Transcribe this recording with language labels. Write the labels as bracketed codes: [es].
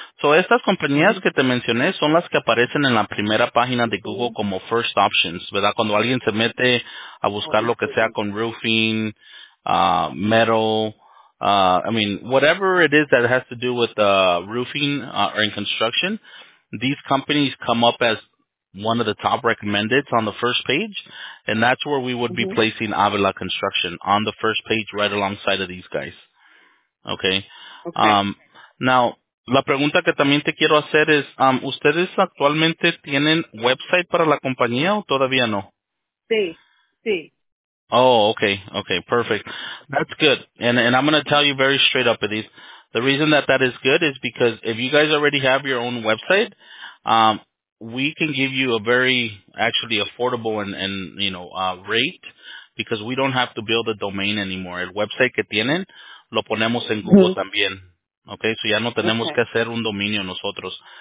[es] So estas compañías que te mencioné son las que aparecen en la primera página de Google como [en] first options, [es] ¿verdad? Cuando alguien se mete a buscar lo que sea con [en] roofing, metal, whatever it is that has to do with roofing or in construction, these companies come up as one of the top recommendeds on the first page, and that's where we would be placing Avila Construction, on the first page right alongside of these guys. Okay. [es] Now, la pregunta que también te quiero hacer es, ¿ustedes actualmente tienen website para la compañía o todavía no? Sí. [en] Oh, okay, perfect. That's good. And I'm going to tell you very straight up, Edith. The reason that is good is because if you guys already have your own website, we can give you a very actually affordable and rate, because we don't have to build a domain anymore. [es] El website que tienen lo ponemos en Google también. Okay, so ya no tenemos que hacer un dominio nosotros.